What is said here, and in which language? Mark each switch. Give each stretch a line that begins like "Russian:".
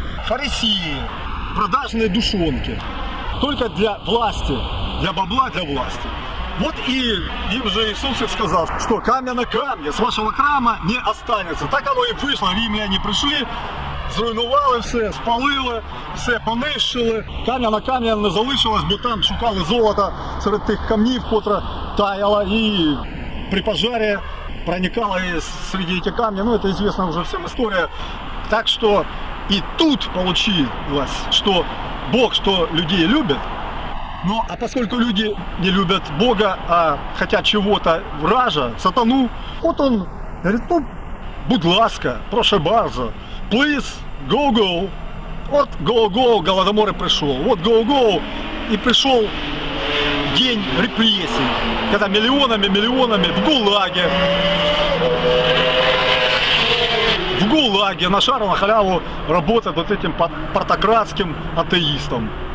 Russian: фарисеи, продажные душонки, только для власти, для бабла, для власти. Вот и им же Иисус их сказал, что камня на камне с вашего храма не останется. Так оно и вышло, римляне пришли,
Ukrainian: зруйнували все, спалили, все понищили. Камня на камне не залишилось, бо там шукали золото серед тих камнів, котра таяла і при пожарі проникала і серед ці камні. Ну, це звісна вже всім історія. Так що і тут вийшло, що Бог, що людей любить.
Russian: Ну, а поскольку люди не любят Бога, а хотят чего-то вража, сатану, вот он говорит, ну,
Ukrainian: будь ласка,
Polish: прошу барза,
English: please, go-go,
Russian: вот go-go, Голодомор и пришел, вот go-go, и пришел день репрессий, когда миллионами-миллионами в ГУЛАГе на шару, на халяву работают вот этим партократским атеистом.